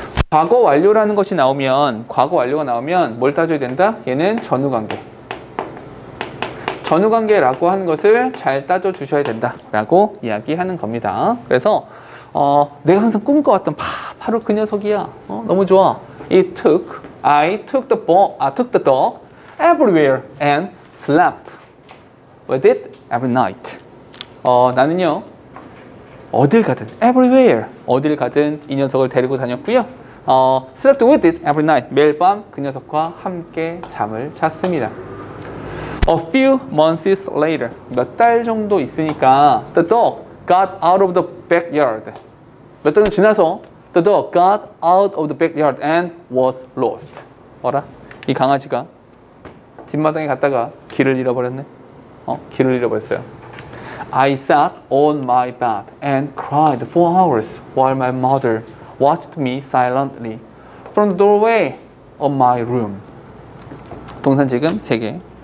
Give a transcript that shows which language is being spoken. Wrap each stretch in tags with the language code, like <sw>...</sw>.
<ko>과거 완료라는 것이 나오면 과거 완료가 나오면 뭘 따져야 된다? 얘는 전후 관계. 전후 관계라고 하는 것을 잘 따져 주셔야 된다라고 이야기하는 겁니다. 그래서 내가 항상 꿈꿔왔던 바로 그 녀석이야. 너무 좋아.</ko> <en>I took the dog everywhere and slept with it every night.</en> <ko>나는요 어딜 가든 everywhere 어딜 가든 이 녀석을 데리고 다녔고요.</ko> <en>Slept with it every night.</en> <ko>매일 밤 그 녀석과 함께 잠을 잤습니다.</ko> <en>A few months later.</en> <ko>몇 달 정도 있으니까</ko> <en>the dog got out of the backyard.</en> <ko>몇 달이 지나서</ko> <en>the dog got out of the backyard and was lost.</en> <ko>봐라, 이 강아지가 뒷마당에 갔다가 길을 잃어버렸네. 길을 잃어버렸어요.</ko> <en>I sat on my bed and cried for hours while my mother watched me silently from the doorway of my room.</en> <ko>동산 지금 세 개.</ko>